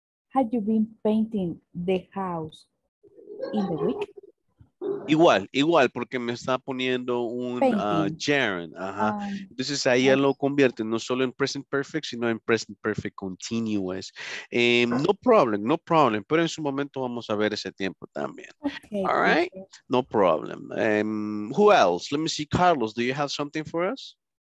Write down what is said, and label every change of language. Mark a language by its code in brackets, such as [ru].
[en] Have you been painting the house in the week? [es] Igual, igual, porque me está poniendo un gerund. Entonces ahí ya lo convierte no solo en present perfect, sino en present perfect continuous. [en] No problem, no problem. [es] Pero en su momento vamos a ver ese tiempo también. [en] Okay, all right, okay. No problem. Who else? Let me see, Carlos, do you have something for us?